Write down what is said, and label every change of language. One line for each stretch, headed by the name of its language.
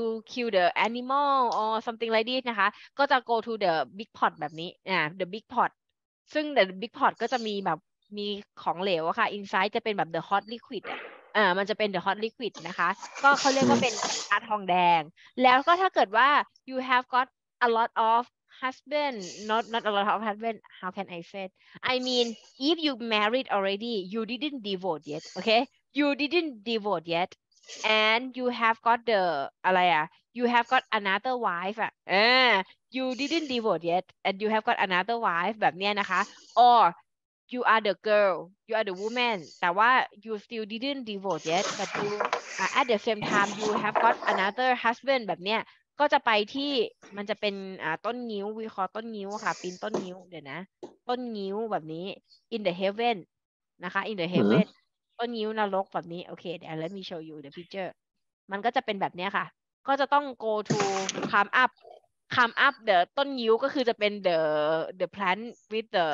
Thai: kill the animal or something like this นะคะก็จะ
English: go to the big pot
Thai: แบบนี้the big pot ซึ่ง the big pot ก็จะมีแบบมีของเหลวอะค่ะ inside จะเป็นแบบ
English: the hot liquid
Thai: มันจะเป็น the hot liquid นะคะก็เขาเรียกว่าเป็นอาทองแดงแล้วก็ถ้าเกิดว่า
English: you have got a lot ofHusband, not a lot of husband. How can I say? I mean, if you married already, you didn't divorce yet, okay? You didn't divorce yet, and you have got the You have got another wife. You didn't divorce yet, and you have got another wife.
Thai: แบบเนี้ยนะคะ
English: Or you are the girl, you are the woman.
Thai: แต่ว่า
English: you still didn't divorce yet, but you, at the same time you have got another husband.
Thai: แบบเนี้ยก็จะไปที่มันจะเป็นต้นงิ้ววิเคราะห์ต้นงิ้วค่ะปีนต้นงิ้วเดี๋ยวนะต้นงิ้วแบบนี้ in the heaven นะคะ in the heaven ต้นงิ้วนรกแบบนี้โอเคเดี๋ยว
English: let me show you the picture
Thai: มันก็จะเป็นแบบนี้ค่ะก็จะต้อง
English: go to climb up the
Thai: ต้นงิ้วก็คือจะเป็น
English: the plant with